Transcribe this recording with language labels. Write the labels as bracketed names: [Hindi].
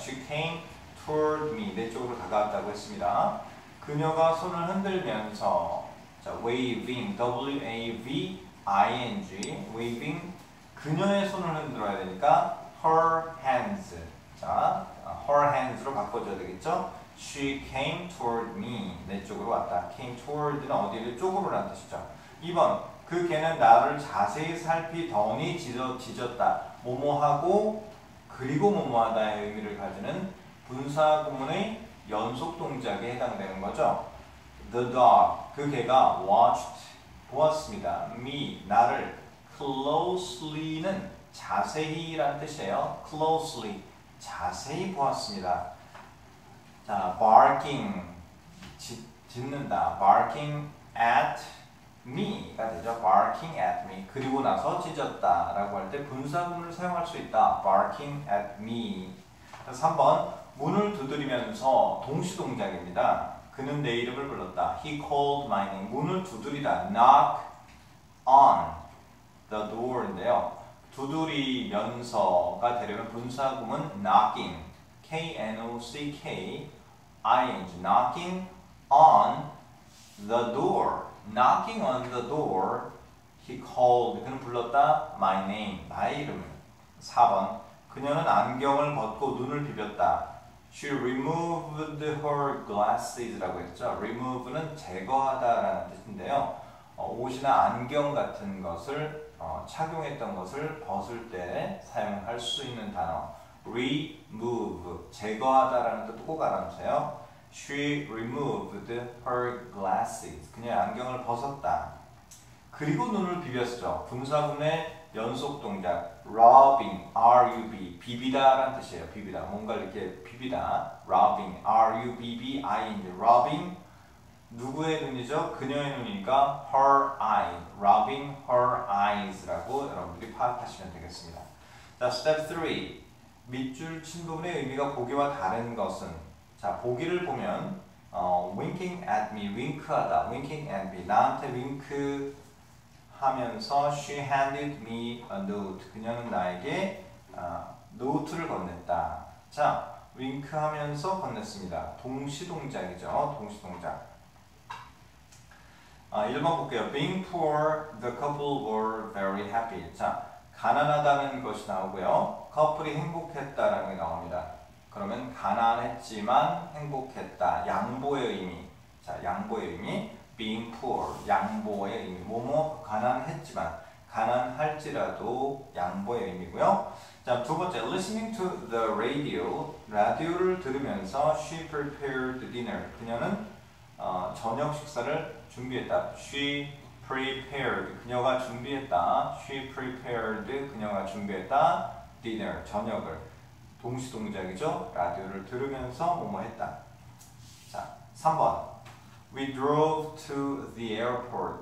[English] She came toward me, [Korean] 내 쪽으로 다가왔다고 했습니다. 그녀가 손을 흔들면서 waving, W-A-V-I-N-G, waving, 그녀의 손을 흔들어야 되니까 [English] her hands, [Korean] 자, her hands로 바꿔줘야 되겠죠? [English] She came toward me, [Korean] 내 쪽으로 왔다. came toward는 어디를 쪽으로란 뜻이죠. 2번, 그 개는 나를 자세히 살피더니 짖었다. 뭐뭐하고 그리고 뭐뭐하다의 의미를 가지는 분사 구문의 연속 동작에 해당되는 거죠. [English] The dog, [Korean] 그 개가 [English] watched, [Korean] 보았습니다. [English] Me, [Korean] 나를. Closely는 자세히란 뜻이에요. Closely, 자세히 보았습니다. 자, barking, 짖는다. [English] Barking at me가 되죠. Barking at me. [Korean] 그리고 나서 짖었다 라고 할 때 분사구문을 사용할 수 있다. [English] Barking at me. [Korean] 3번, 문을 두드리면서 동시동작입니다. 그는 내 이름을 불렀다. [English] He called my name. [Korean] 문을 두드리다. [English] Knock on the door인데요. [Korean] 두드리면서가 되려면 분사구문 knocking. [English] K-N-O-C-K-I-N-G. Knocking on the door. Knocking on the door. He called. [Korean] 그는 불렀다. [English] My name. [Korean] 나의 이름을. [English] 4번. [Korean] 그녀는 안경을 벗고 눈을 비볐다. [English] She removed her glasses [Korean] 라고 했죠. Remove는 제거하다 라는 뜻인데요. 옷이나 안경 같은 것을 착용했던 것을 벗을 때 사용할 수 있는 단어. Remove, 제거하다 라는 뜻 꼭 알아주세요. [English] She removed her glasses. [Korean] 그녀의 안경을 벗었다. 그리고 눈을 비볐죠. 분사구문의 연속 동작. Rubbing, R-U-B, 비비다 라는 뜻이에요. 비비다, 뭔가 이렇게 비비다. Rubbing, R-U-B-B-I-N-G. Rubbing, 누구의 눈이죠? 그녀의 눈이니까 her eyes. [English] Rubbing her eyes [Korean] 라고 여러분들이 파악하시면 되겠습니다. 자, step 3. 밑줄 친 부분의 의미가 보기와 다른 것은? 자, 보기를 보면 [English] winking at me, [Korean] wink하다. [English] Winking at me, [Korean] 나한테 윙크 하면서 [English] she handed me a note. [Korean] 그녀는 나에게 노트를 건넸다. 자, 윙크하면서 건넸습니다. 동시동작이죠. 동시동작. 1번 볼게요. [English] Being poor, the couple were very happy. [Korean] 자, 가난하다는 것이 나오고요. 커플이 행복했다라는 게 나옵니다. 그러면 가난했지만 행복했다. 양보의 의미. 자, 양보의 의미. [English] Being poor, [Korean] 양보의 의미. 뭐뭐 가난했지만, 가난할지라도 양보의 의미고요. 자, 두 번째, [English] listening to the radio. [Korean] 라디오를 들으면서 [English] she prepared dinner. [Korean] 그녀는 저녁 식사를 준비했다. [English] She prepared, [Korean] 그녀가 준비했다. She prepared, 그녀가 준비했다. [English] Dinner, [Korean] 저녁을. 동시 동작이죠. 라디오를 들으면서 뭐뭐 했다. 자, 3번. [English] We drove to the airport.